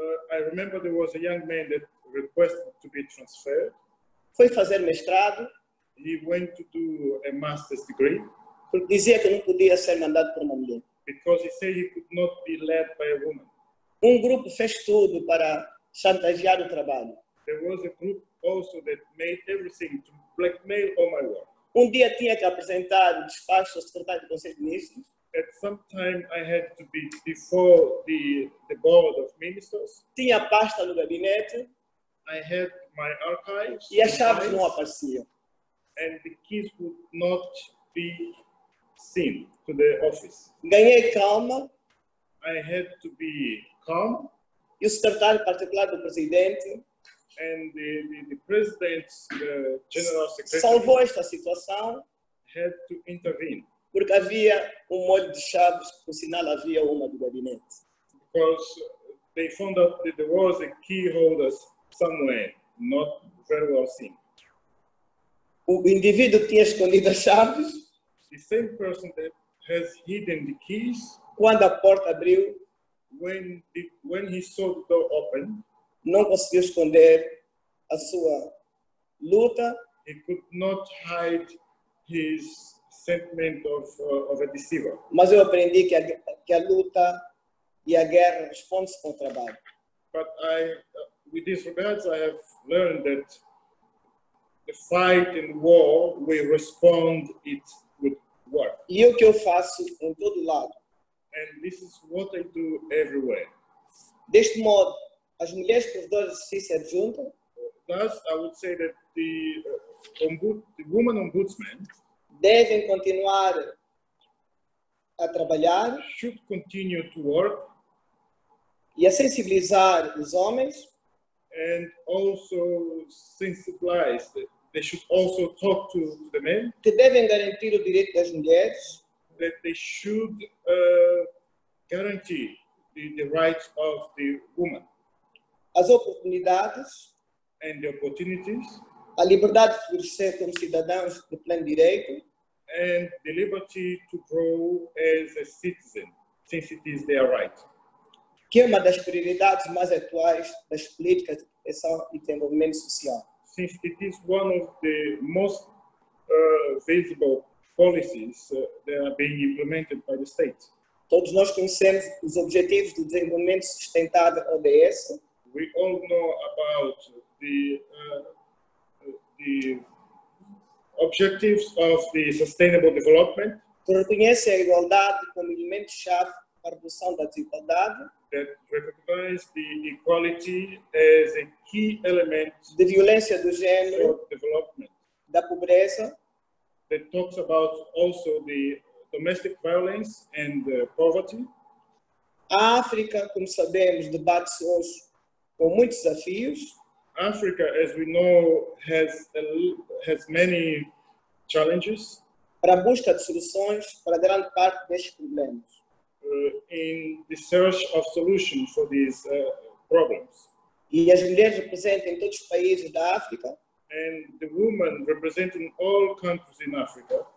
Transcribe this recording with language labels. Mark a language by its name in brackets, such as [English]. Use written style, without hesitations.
[English] I remember there was a young man that requested to be transferred. [Portuguese] Foi fazer mestrado. [English] He went to do a master's degree. [Portuguese] Porque dizia que não podia ser mandado por uma mulher. [English] Because he said he could not be led by a woman. [Portuguese] Um grupo fez tudo para chantagear o trabalho. [English] There was a group also that made everything to blackmail all my work. [Portuguese] Um dia tinha que apresentar o despacho ao secretário do Conselho de Ministros. [English] At some time I had to be before the board of ministers. [Portuguese] Tinha pasta no gabinete. [English] I had my archives. [Portuguese] E as chaves não apareciam. [English] And the keys would not be seen to the office. [Portuguese] Ganhei calma. [English] I had to be calm. [Portuguese] E o secretário particular do presidente. [English] And the president's general secretary [Portuguese] salvou esta situação. [English] Had to intervene. [Portuguese] Porque havia molho de chaves, por sinal havia uma do gabinete. [English] Because they found out that there was a key holder somewhere, not very well seen. [Portuguese] O indivíduo tinha escondido as chaves. [English] The same person that has hidden the keys. [Portuguese] Quando a porta abriu. [English] When he saw the door open. [Portuguese] Não conseguiu esconder a sua luta. [English] He could not hide his sentiment of a deceiver. [Portuguese] Mas eu aprendi que a luta e a guerra responde-se com o trabalho. [English] But I, with these regards, I have learned that the fight and war we respond it with work. [Portuguese] E o que eu faço em todo lado. [English] And this is what I do everywhere. [Portuguese] Deste modo, as mulheres provedoras de justiça adjunta. [English] Thus, I would say that the woman ombudsman [Portuguese] devem continuar a trabalhar. [English] Should continue to work. [Portuguese] E a sensibilizar os homens. [English] And also sensibilize. They should also talk to the men. [Portuguese] Que devem garantir o direito das mulheres. [English] That they should guarantee the rights of the woman. [Portuguese] As oportunidades. [English] And the opportunities. [Portuguese] A liberdade de florescer como cidadãos de pleno direito. [English] And the liberty to grow as a citizen, since it is their right. [Portuguese] Que é uma das prioridades mais atuais das políticas de proteção e desenvolvimento social. [English] Since it is one of the most visible policies that are being implemented by the state. [Portuguese] Todos nós conhecemos os objetivos do desenvolvimento sustentável ODS. [English] We all know about the objectives of the sustainable development. [Portuguese] Que reconhece a igualdade como elemento-chave para a redução da desigualdade. [English] That recognize the equality as a key element [Portuguese] de violência do género, [English] for development. [Portuguese] Da pobreza. [English] That talks about also the domestic violence and poverty. [Portuguese] A África, como sabemos, debate-se hoje com muitos desafios. [English] Africa, as we know, has many challenges. [Portuguese] Para a busca de soluções para grande parte destes problemas. [English] In the search of solutions for these problems. [Portuguese] E as mulheres representam todos os países da África. [English] And the women representing all countries in Africa.